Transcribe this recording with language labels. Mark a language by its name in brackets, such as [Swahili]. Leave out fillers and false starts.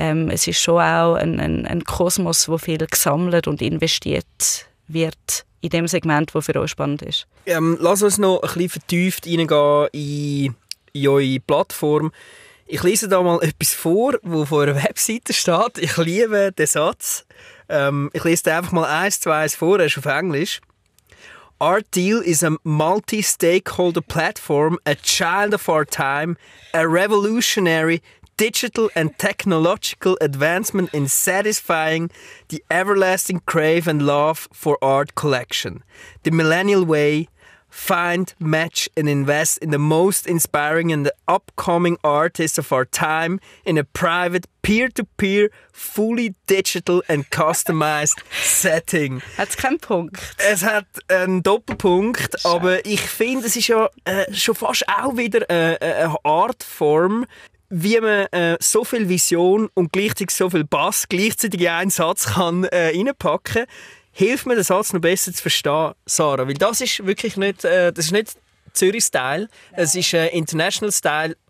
[German] Es ist schon auch ein Kosmos, wo viel gesammelt und investiert wird in dem Segment, das für uns spannend ist. Lass uns noch ein bisschen vertieft reingehen in eure Plattform. Ich lese da mal etwas vor, das auf eurer Webseite steht. Ich liebe den Satz. Ich lese den einfach mal eins zu eins vor, er ist auf Englisch. [English] Our deal is a multi-stakeholder platform, a child of our time, a revolutionary digital and technological advancement in satisfying the everlasting crave and love for art collection. The millennial way, find, match and invest in the most inspiring and the upcoming artists of our time in a private, peer-to-peer, fully digital and customized setting. [German] Hat es keinen Punkt? Es hat einen Doppelpunkt, aber ich finde, es ist ja schon fast auch wieder eine Artform, wie man so viel Vision und gleichzeitig so viel Bass gleichzeitig in einen Satz kann reinpacken kann. Hilft mir, den Satz noch besser zu verstehen, Sarah. Weil das ist wirklich nicht, Zürich-Style, es ist International-Style.